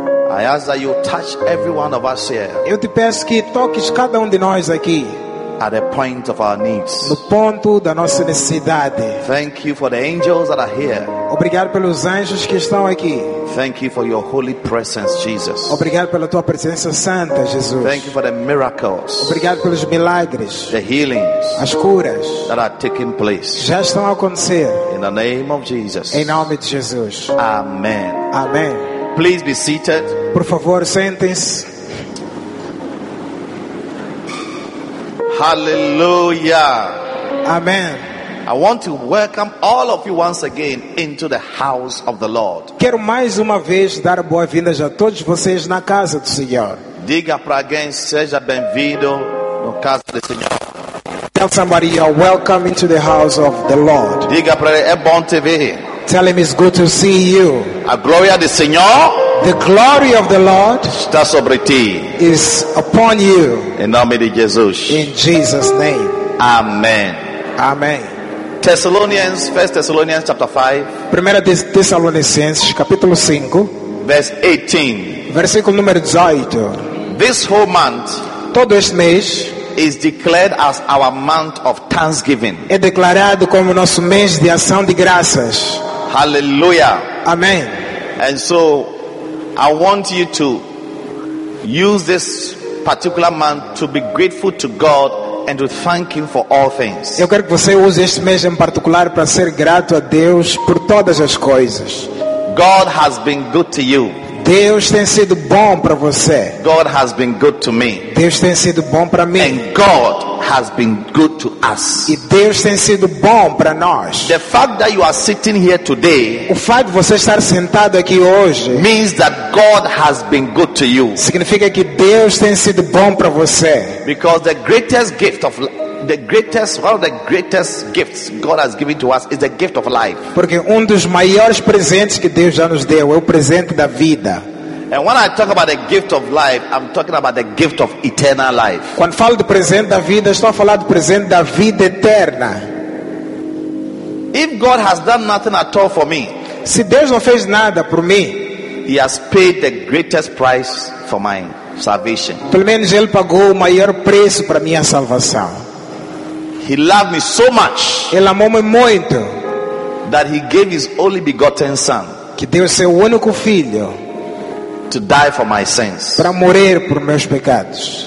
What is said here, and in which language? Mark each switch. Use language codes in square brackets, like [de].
[en] I ask that you touch every one of us here. [pt] Eu te peço que toques cada de nós aqui. [en] At the point of our needs. [pt] No ponto da nossa necessidade. [en] Thank you for the angels that are here. [pt] Obrigado pelos anjos que estão aqui. [en] Thank you for your holy presence, Jesus. [pt] Obrigado pela tua presença santa, Jesus. [en] Thank you for the miracles. [pt] Obrigado pelos milagres. [en] The healings. [pt] As curas. [en] That are taking place. [pt] Já estão a acontecer. [en] In the name of Jesus. [pt] Em nome de Jesus. [en] Amen. [pt] Amém. [en] Please be seated. [pt] Por favor, sentem-se. [en] Hallelujah. Amen. I want to welcome all of you once again into the house of the Lord. [pt] Quero mais uma vez dar boas-vindas a todos vocês na casa do Senhor. Diga para alguém, seja bem-vindo no casa do Senhor. [en] Tell somebody you are welcome into the house of the Lord. [pt] Diga para ele, é bom te ver. [en] Tell him it's good to see you. [pt] A glória do Senhor. [en] The glory of the Lord [pt] está sobre ti. [en] Is upon you. [pt] Em nome de Jesus. [en] In Jesus' name. Amen. Amen. Thessalonians, 1 Thessalonians chapter 5. [pt] Primeira de Tessalonicenses, capítulo 5. [en] Verse 18. [pt] Versículo número 18. [en] This whole month, [pt] todo este mês, [en] is declared as our month of thanksgiving. [pt] É declarado como nosso mês de ação de graças. [en] Hallelujah. Amen. And so I want you to use this particular month to be grateful to God and to thank him for all things. [pt] Eu quero que você use este mês em particular para ser grato a Deus por todas as coisas. [en] God has been good to you. [pt] Deus tem sido bom para você. [en] God has been good to me. [pt] Deus tem sido bom para mim. [en] And God has been good to us. [pt] E Deus tem sido bom para nós. [en] The fact that you are sitting here today, [pt] o fato de você estar sentado aqui hoje, [en] means that God has been good to you. [pt] Significa que Deus tem sido bom para você. [en] Because the greatest gift of the greatest, one of the greatest gifts God has given to us is the gift of life. [pt] Porque dos maiores presentes que Deus já nos deu é o presente da vida. [en] And when I talk about the gift of life, I'm talking about the gift of eternal life. [pt] Quando falo do presente da vida, estou a falar do presente da vida eterna. [en] If God has done nothing at all for me, [pt] se Deus não fez nada por mim, [en] He has paid the greatest price for my salvation. [pt] Pelo menos Ele pagou o maior preço para minha salvação. [en] He loved me so much. [pt] Ele amou-me muito. [en] That He gave His only begotten Son. [pt] Que deu seu único filho. [en] To die for my sins. [pt] Para morrer por meus pecados.